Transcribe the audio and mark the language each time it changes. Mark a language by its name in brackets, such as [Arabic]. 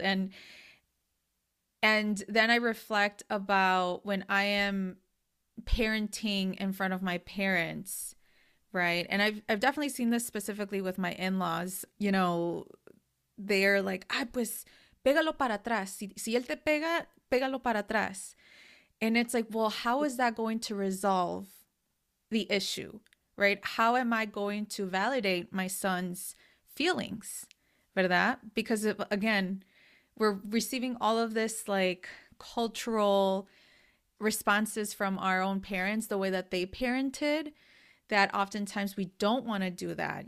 [English] And then I reflect about when I am parenting in front of my parents, right? And I've definitely seen this specifically with my in-laws. You know, they're like, ah, [Spanish] pues, pégalo para atrás. Si él te pega, pégalo para atrás. [English] And it's like, well, how is that going to resolve the issue, right? How am I going to validate my son's feelings, verdad? Because of, again, we're receiving all of this like cultural responses from our own parents, the way that they parented, that oftentimes we don't want to do that.